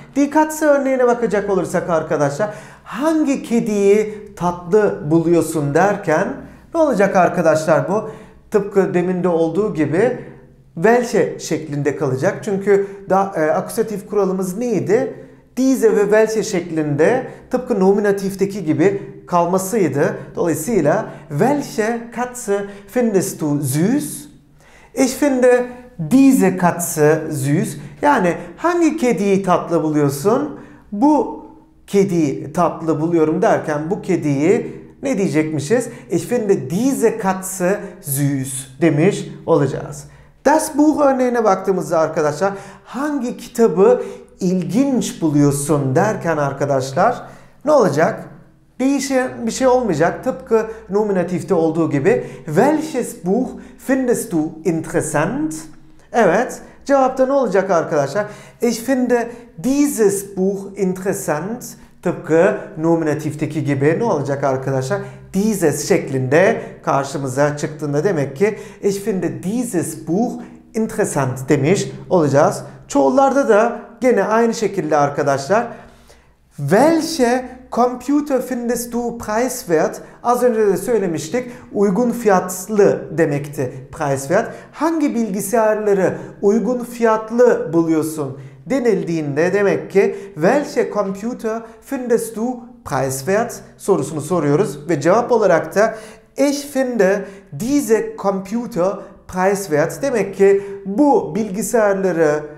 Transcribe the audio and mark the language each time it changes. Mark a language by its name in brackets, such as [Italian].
[German] Die Katze [Turkish] örneğine bakacak olursak arkadaşlar hangi kediyi tatlı buluyorsun derken ne olacak arkadaşlar bu? Tıpkı deminde olduğu gibi welche şeklinde kalacak. Çünkü akusatif kuralımız neydi? Diese ve welche şeklinde tıpkı nominatifteki gibi kalmasıydı. Dolayısıyla [German] welche Katze findest du süß? Ich finde diese Katze süß. [Turkish] Yani hangi kediyi tatlı buluyorsun? Bu kediyi tatlı buluyorum derken bu kediyi ne diyecekmişiz? [German] Ich finde diese Katze süß [Turkish] demiş olacağız. Das Buch örneğine baktığımızda arkadaşlar hangi kitabı ilginç buluyorsun derken arkadaşlar ne olacak? Değişen bir şey olmayacak. Tıpkı nominatifte olduğu gibi. [German] Welches Buch findest du interessant? [Turkish] Evet. Cevapta ne olacak arkadaşlar? [German] Ich finde dieses Buch interessant. [Turkish] Tıpkı nominatifteki gibi ne olacak arkadaşlar? Dieses şeklinde karşımıza çıktığında demek ki [German] ich finde dieses Buch interessant [Turkish] demiş olacağız. Çoğullarda da gene aynı şekilde arkadaşlar. [German] Welche Computer findest du preiswert? [Turkish] Az önce de söylemiştik. Uygun fiyatlı demekti preiswert. Hangi bilgisayarları uygun fiyatlı buluyorsun denildiğinde demek ki [German] welche Computer findest du preiswert [Turkish] sorusunu soruyoruz ve cevap olarak da [German] ich finde diese Computer preiswert. [Turkish] Demek ki bu bilgisayarları